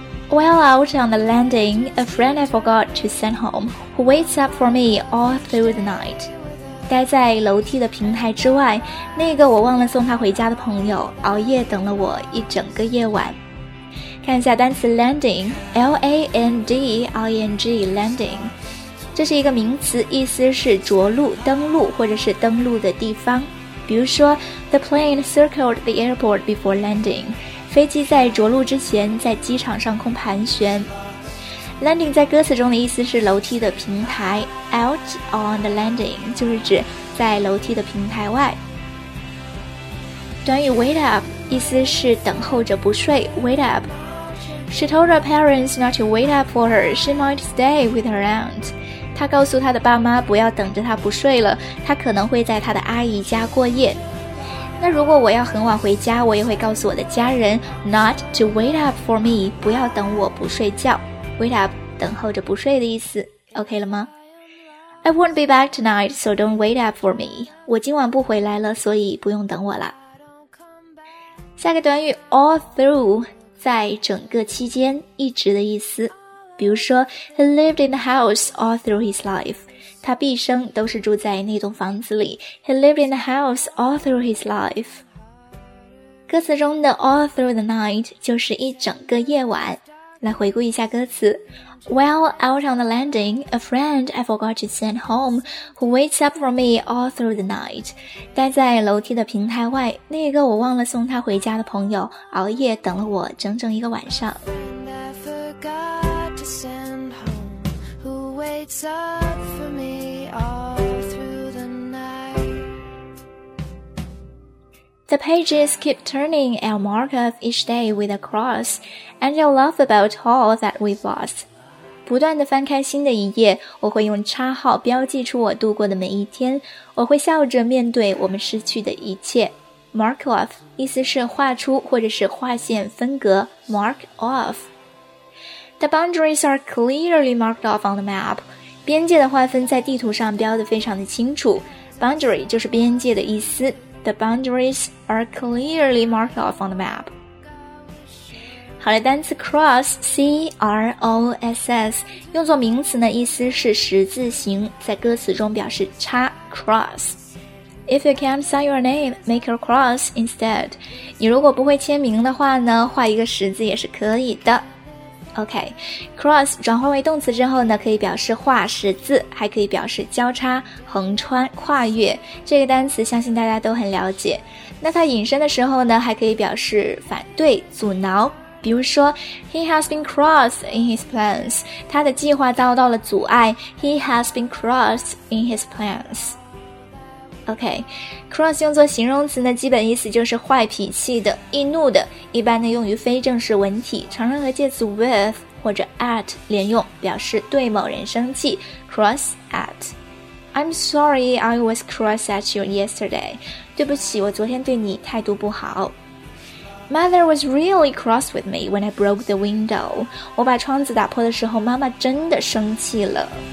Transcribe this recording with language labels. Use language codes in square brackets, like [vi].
[en] While out on the landing, a friend I forgot to send home, who waits up for me all through the night. [zh] 待在楼梯的平台之外，那个我忘了送他回家的朋友熬夜等了我一整个夜晚。看一下单词 landing, L-A-N-D-I-N-G, landing, 这是一个名词，意思是着陆、登陆或者是登陆的地方。比如说 [en] The plane circled the airport before landing, [zh] 飞机在着陆之前在机场上空盘旋。 Landing 在歌词中的意思是楼梯的平台， [en] Out on the landing [zh] 就是指在楼梯的平台外。短语 wait up 意思是等候着不睡， wait up. [en] She told her parents not to wait up for her, she might stay with her aunt. [zh] 她告诉她的爸妈不要等着她不睡了，她可能会在她的阿姨家过夜。那如果我要很晚回家，我也会告诉我的家人 [en] not to wait up for me, [zh] 不要等我不睡觉。 [en] Wait up, [zh] 等候着不睡的意思。 [en] OK [zh] 了吗？ [en] I won't be back tonight, so don't wait up for me. [zh] 我今晚不回来了，所以不用等我了。下个短语 all through, 在整个期间一直的意思。比如说 [en] He lived in the house all through his life. [zh] 他毕生都是住在那栋房子里。 [en] He lived in the house all through his life. [zh] 歌词中的 all through the night 就是一整个夜晚。来回顾一下歌词。 [en] While out on the landing, a friend I forgot to send home, who waits up for me all through the night. [zh] 待在楼梯的平台外，那个我忘了送他回家的朋友，熬夜等了我整整一个晚上。 [en] And I forgot to send home, who waits up for me all through the night. The pages keep turning our mark of each day with a cross. And your love about all that we've lost. [zh] 不断地翻开新的一页，我会用叉号标记出我度过的每一天，我会笑着面对我们失去的一切。 Mark off 意思是画出或者是划线分隔。Mark off. [en] The boundaries are clearly marked off on the map. [zh] 边界的划分在地图上标得非常的清楚。 Boundary 就是边界的意思。 [en] The boundaries are clearly marked off on the map. [zh] 好了，单词 cross, C-R-O-S-S, 用作名词呢，意思是十字形，在歌词中表示叉 cross. [en] If you can't sign your name, make a cross instead. [zh] 你如果不会签名的话呢，画一个十字也是可以的。 OK, cross 转换为动词之后呢，可以表示画十字，还可以表示交叉、横穿、跨越。这个单词相信大家都很了解。那它引申的时候呢，还可以表示反对、阻挠。比如说 [en] He has been crossed in his plans. [zh] 他的计划遭到了阻碍。 [en] He has been crossed in his plans. [zh] OK, cross 用作形容词呢，基本意思就是坏脾气的、易怒的，一般呢用于非正式文体，常常和介词 with 或者 at 连用，表示对某人生气。Cross at. [en] I'm sorry I was cross at you yesterday. [zh] 对不起，我昨天对你态度不好。 [en] Mother was really cross with me when I broke the window. [zh] 我把窗子打破的时候，妈妈真的生气了。